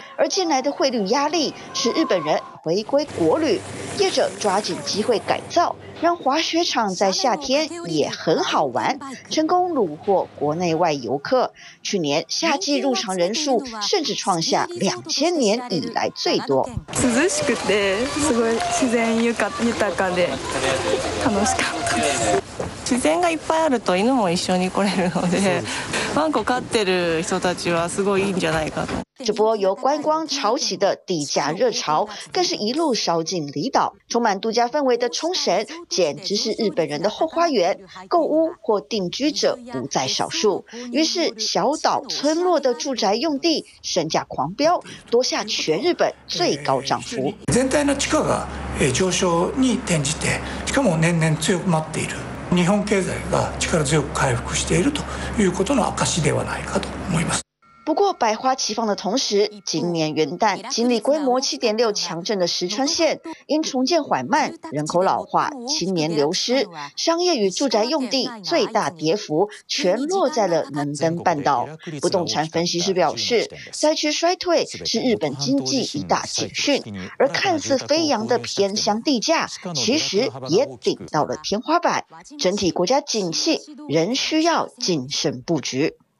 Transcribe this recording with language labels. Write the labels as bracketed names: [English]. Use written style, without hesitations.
[Chinese] 而近来的汇率压力，使日本人回归国旅，业者抓紧机会改造，让滑雪场在夏天也很好玩，成功虏获国内外游客。去年夏季入场人数甚至创下2000年以来最多。 [Japanese] 涼しくてすごい自然豊かで楽しかったです。自然がいっぱいあると犬も一緒に来れるので、ワンコ飼ってる人たちはすごいいいんじゃないかと。 [Chinese] 这波由观光潮起的地价热潮，更是一路烧进离岛。充满度假氛围的冲绳，简直是日本人的后花园，购屋或定居者不在少数。于是，小岛村落的住宅用地身价狂飙，夺下全日本最高涨幅。 [Japanese] 全体の地価が上昇に転じて、しかも年々強くなっている。日本経済が力強く回復しているということの証ではないかと思います。 [Chinese] 不过，百花齐放的同时，今年元旦经历规模 7.6 强震的石川县，因重建缓慢、人口老化、青年流失，商业与住宅用地最大跌幅全落在了能登半岛。不动产分析师表示，灾区衰退是日本经济一大警讯，而看似飞扬的偏乡地价，其实也顶到了天花板。整体国家景气仍需要谨慎布局。